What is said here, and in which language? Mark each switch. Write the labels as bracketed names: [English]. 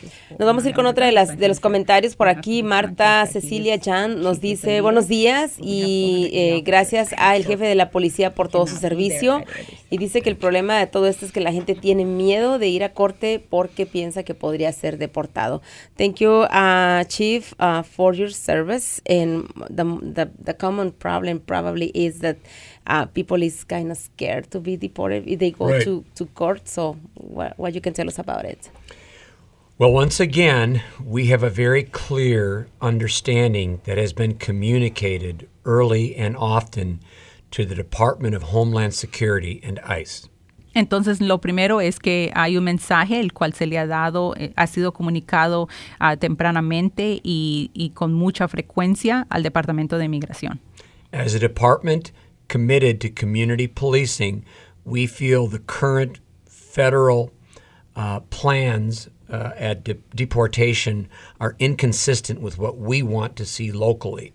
[Spanish] Nos vamos a ir con otra de los comentarios por aquí. Marta Cecilia Chan nos dice, buenos días y gracias al jefe de la policía por todo su servicio. Y dice que el problema de todo esto es que la gente tiene miedo de ir a corte porque piensa que podría ser deportado. [English] Thank you, Chief, for your service. And the common problem probably is that people is kind of scared to be deported if they go right. to court. So what you can tell us about it? Well, once again, we have a very clear understanding that has been communicated early and often to the Department of Homeland Security and ICE. [Spanish] Entonces, lo primero es que hay un mensaje el cual se le ha dado, ha sido comunicado tempranamente y con mucha frecuencia al Departamento de Inmigración. [English] As a department committed to community policing, we feel the current federal plans at deportation are inconsistent with what we want to see locally.